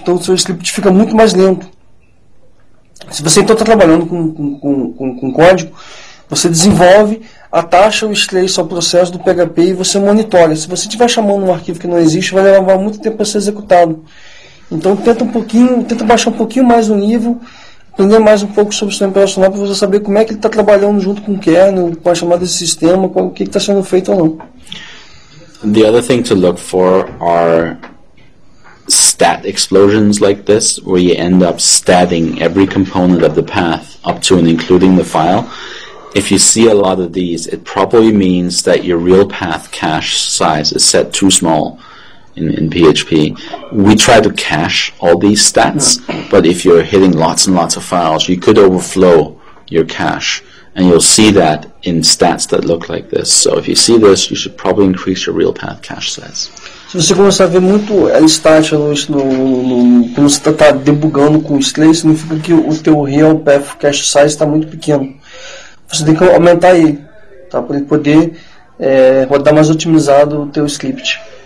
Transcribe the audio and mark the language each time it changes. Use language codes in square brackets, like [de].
[pt] Então, o seu script fica muito mais lento. Se você então está trabalhando com código, você desenvolve, ataxa o strace ao processo do PHP e você monitora. Se você estiver chamando um arquivo que não existe, vai levar muito tempo para ser executado. Então tenta baixar um pouquinho mais o nível, aprender mais um pouco sobre o sistema operacional para você saber como é que ele está trabalhando junto com o kernel, com a chamada de sistema, com o que está sendo feito ou não. [en] The other thing to look for are stat explosions like this, where you end up statting every component of the path up to and including the file. If you see a lot of these, it probably means that your real path cache size is set too small in PHP. We try to cache all these stats, but if you're hitting lots and lots of files, you could overflow your cache, and you'll see that in stats that look like this. So if you see this, you should probably increase your real path cache size. [pt] Se você começar a ver muito LSTAT quando você está debugando com o strace, significa que o teu real path cache size está muito pequeno. Você tem que aumentar ele, tá? Para ele poder rodar mais otimizado o teu script.